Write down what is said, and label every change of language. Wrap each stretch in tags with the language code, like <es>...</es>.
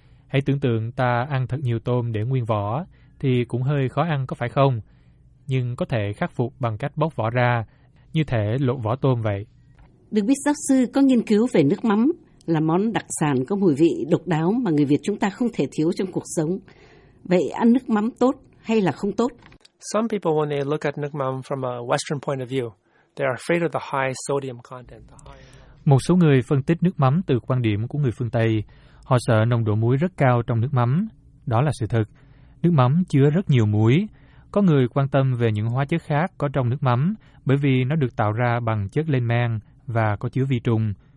<vi>Hãy tưởng tượng ta ăn thật nhiều tôm để nguyên vỏ, thì cũng hơi khó ăn có phải không? Nhưng có thể khắc phục bằng cách bóc vỏ ra, như thể lột vỏ tôm vậy. Được biết giáo sư có nghiên cứu về nước mắm, là món đặc sản có mùi vị độc đáo mà người Việt chúng ta không thể thiếu trong cuộc sống. Vậy ăn nước mắm tốt hay là không tốt?</vi> <en>Some people, when they look at nước mắm from a Western point of view, they are afraid of the high sodium content.</en> <vi>Một số người phân tích nước mắm từ quan điểm của người phương Tây. Họ sợ nồng độ muối rất cao trong nước mắm. Đó là sự thật. Nước mắm chứa rất nhiều muối. Có người quan tâm về những hóa chất khác có trong nước mắm bởi vì nó được tạo ra bằng chất lên men và có chứa vi trùng.</vi>